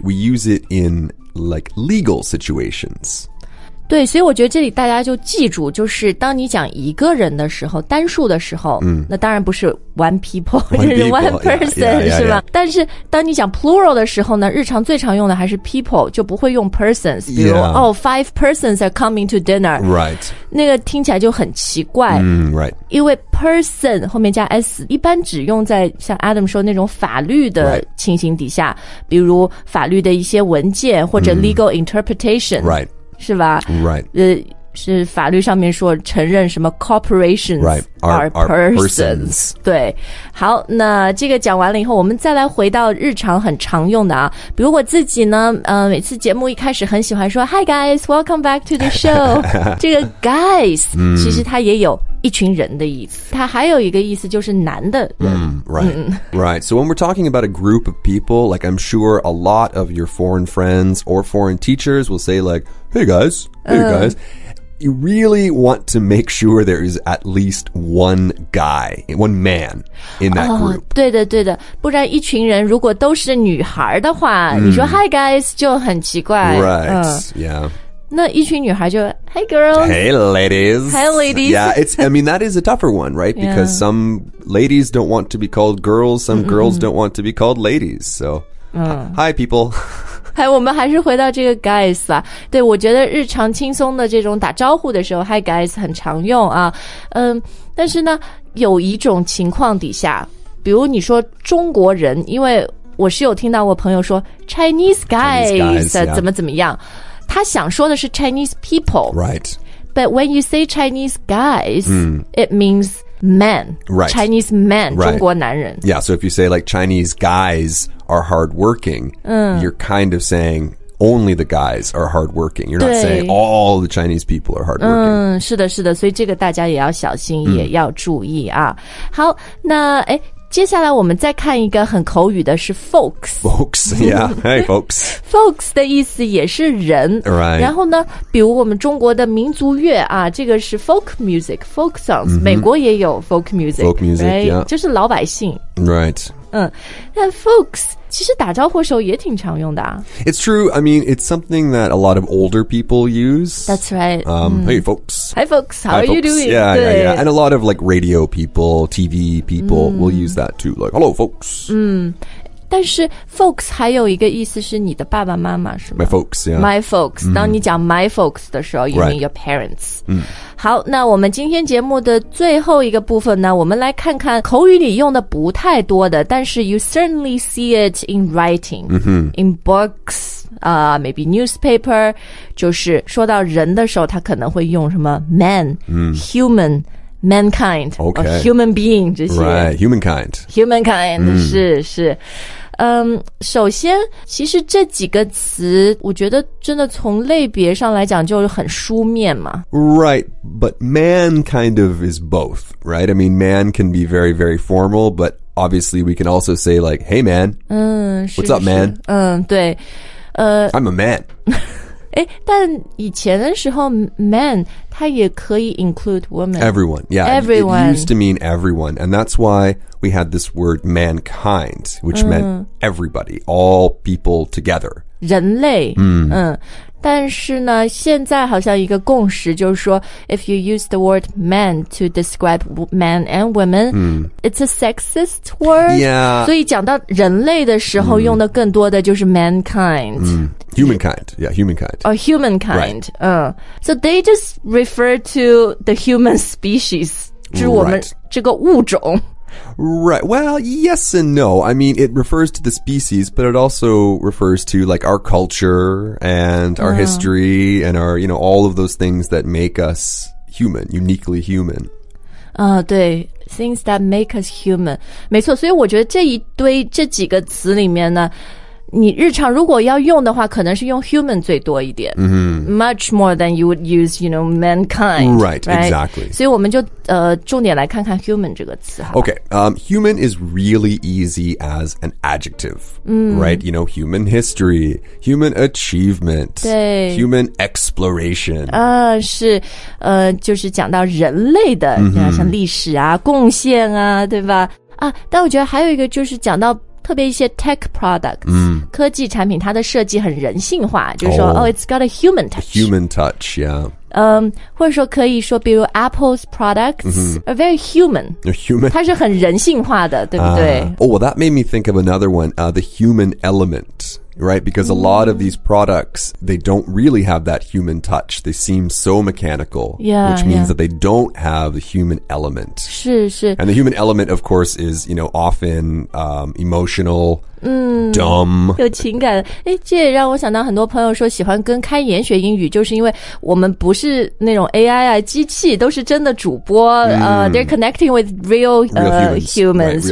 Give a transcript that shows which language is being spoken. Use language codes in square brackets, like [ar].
[en] We use it in, like, legal situations. [zh] 对，所以我觉得这里大家就记住，就是当你讲一个人的时候，单数的时候，那当然不是 [en] one people, [zh] 就是 [en] one person, yeah, [zh] 是吧 [en] yeah, yeah. [zh] 但是当你讲 plural 的时候呢，日常最常用的还是 people, 就不会用 persons, 比如、 [en] yeah. oh, five persons are coming to dinner, right. [zh] 那个听起来就很奇怪、 [en] right. [zh] 因为 person 后面加 s, 一般只用在像 Adam 说那种法律的情形底下、 [en] right. [zh] 比如法律的一些文件或者 legal interpretation,、 [en] right. [zh] 是吧 [en] Right. [zh] 是法律上面说承认什么 corporations [en] Right. are persons. 对。 [zh] 好那这个讲完了以后我们再来回到日常很常用的啊。比如我自己呢每次节目一开始很喜欢说 [en] Hi guys, welcome back to the show. [zh] 这个 guys, 其实它也有一群人的意思。它还有一个意思就是男的人。 [en] Right. So when we're talking about a group of people, like I'm sure a lot of your foreign friends or foreign teachers will say like,Hey guys. You really want to make sure there is at least one guy, one man in that group. [zh] 对的对的。不然一群人如果都是女孩的话、你说 [en] Hi guys, [zh] 就很奇怪。 [en] Right, yeah. [zh] 那一群女孩就 [en] Hey girls Hey ladies Hey ladies Yeah, it's, I mean that is a tougher one, right? Because、 yeah. some ladies don't want to be called girls Some、mm-hmm. girls don't want to be called ladies So、hi people [zh] 还我们还是回到这个 guys 吧对我觉得日常轻松的这种打招呼的时候 [en] Hi guys [zh] 很常用啊但是呢有一种情况底下比如你说中国人因为我是有听到我朋友说 [en] Chinese guys、 yeah. [zh] 怎么怎么样他想说的是 [en] Chinese people. Right. But when you say Chinese guys,、it means men. Right. Chinese men,、 right. [zh] 中国男人。 [en] Yeah, so if you say like Chinese guys are hardworking,、you're kind of saying only the guys are hardworking. You're not saying all the Chinese people are hardworking.、 [zh] 是的是的所以这个大家也要小心、也要注意啊。好那诶接下来我们再看一个很口语的是 folks [en] Folks, yeah, hey folks [zh] Folks 的意思也是人、 [en] right. [zh] 然后呢比如我们中国的民族乐啊这个是 folk music, folk songs、 [en] mm-hmm. [zh] 美国也有 folk music [en] Folk music, right, yeah [zh] 就是老百姓 [en] Right [zh] 那 folks 其实打招呼的时候也挺常用的啊 [en] It's true, I mean it's something that a lot of older people use That's right、 Hey folks Hi folks, how Hi, are folks. you doing? Yeah, yeah, yeah And a lot of like radio people, TV people、will use that too Like, hello folks、 [zh] 但是 folks 还有一个意思是你的爸爸妈妈是吗 [en] My folks, yeah [zh] My folks、当你讲 [en] my folks [zh] 的时候 You、 [en] right. mean your parents、 [zh] 好那我们今天节目的最后一个部分呢我们来看看口语里用的不太多的但是 [en] you certainly see it in writing、 [zh] in books、maybe newspaper 就是说到人的时候他可能会用什么 man、humanMankind, [en] okay. human being, 这些 Right, humankind. Humankind,、是是。 [zh] 首先其实这几个词我觉得真的从类别上来讲就很书面嘛。 [en] Right, but man kind of is both, right? I mean, man can be very, very formal, but obviously we can also say like, hey man,、 [zh] 是 [en] what's up man? [zh] 对。 [en] I'm a man. [zh] 但以前的时候 man... 它也可以 [en] include women. Everyone, yeah. Everyone. It used to mean everyone. And that's why we had this word mankind, which、meant everybody, all people together. [zh] 人类。但是呢现在好像一个共识就是说 [en] if you use the word man to describe men and women,、it's a sexist word. Yeah. [zh] 所以讲到人类的时候、用的更多的就是 mankind.、 [en] Humankind, yeah, humankind. Oh, humankind. Right. So they just refer to the human species, [zh] 就是我们这个物种。 [en] Right. Well, yes and no. I mean, it refers to the species, but it also refers to, like, our culture and our history and our, you know, all of those things that make us human, uniquely human. 对 things that make us human. [zh] 没错，所以我觉得这一堆这几个词里面呢，你日常如果要用的话，可能是用 human 最多一点。 [en] Mm-hmm. Much more than you would use, you know, mankind. Right, exactly. [zh] 所以我们就重点来看看 human 这个词。 [en] Okay, human is really easy as an adjective. Right, you know, human history, human achievement, [zh] 对 [en] human exploration. [zh] 是就是讲到人类的、mm-hmm. 像历史啊贡献啊对吧但我觉得还有一个就是讲到特别一些 tech products、科技产品它的设计很人性化就是说 [en] it's got a human touch human touch yeah、 [zh] 或者说可以说比如 [en] Apple's products、 [zh] mm-hmm. [en] are very human they're human [zh] 它是很人性化的对不对、 [en] well that made me think of another one、the human element right because a lot of these products they don't really have that human touch they seem so mechanical yeah, which means that they don't have the human element [zh] 是是 [en] and the human element of course is you know often emotional dumb [zh] 有情感这也让我想到很多朋友说喜欢跟开言学英语就是因为我们不是那种 AI 啊机器都是真的主播、 [en] they're connecting with real humans.